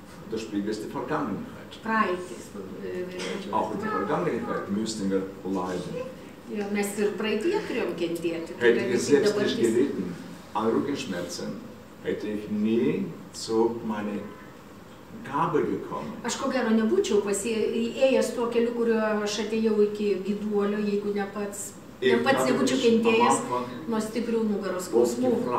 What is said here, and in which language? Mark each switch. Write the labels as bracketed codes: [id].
[de] Du spiegelst die Vergangenheit. [lt] Praeitis. [de] Auch die Vergangenheit müssen wir leiden. [lt] Ja, mes ir praeitie turėjom kentėti. [de] Hätte ich selbst nicht gelitten an Rückenschmerzen, hätte ich nie zu meine Gabe gekommen. [lt] Aš ko gero nebūčiau pasiėjęs tuo keliu, kuriuo aš atėjau iki gyduolio, jeigu ne pats. Pats nebūčiau kentėjęs nuo stiprių nugaros skausmų.